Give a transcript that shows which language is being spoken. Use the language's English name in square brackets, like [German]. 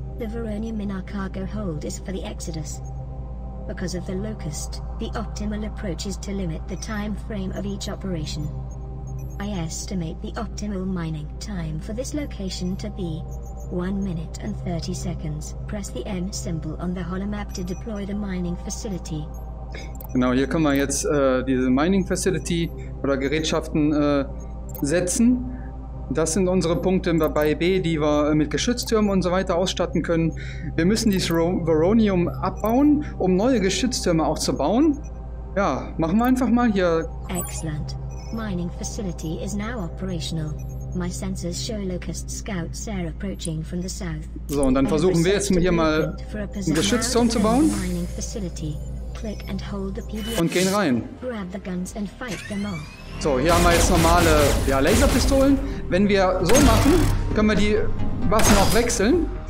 [English] The Voronium in our cargo hold is for the Exodus. Because of the locust, the optimal approach is to limit the time frame of each operation. I estimate the optimal mining time for this location to be 1 minute and 30 seconds. Press the M symbol on the holomap to deploy the mining facility. [German] Genau, hier können wir jetzt diese Mining Facility oder Gerätschaften setzen. Das sind unsere Punkte bei B, die wir mit Geschütztürmen und so weiter ausstatten können. Wir müssen dieses Voronium abbauen, um neue Geschütztürme auch zu bauen. Ja, machen wir einfach mal hier. [English] Excellent. Mining Facility is now operational. My sensors show locust scouts are approaching from the south. [German] So, und dann versuchen wir jetzt hier mal einen Geschützturm zu bauen. [English] Click and hold the PDF [German] und gehen rein. [English] Grab the guns and fight them off. [German] So, hier haben wir jetzt normale Laserpistolen. Wenn wir so machen, können wir die Waffen auch wechseln.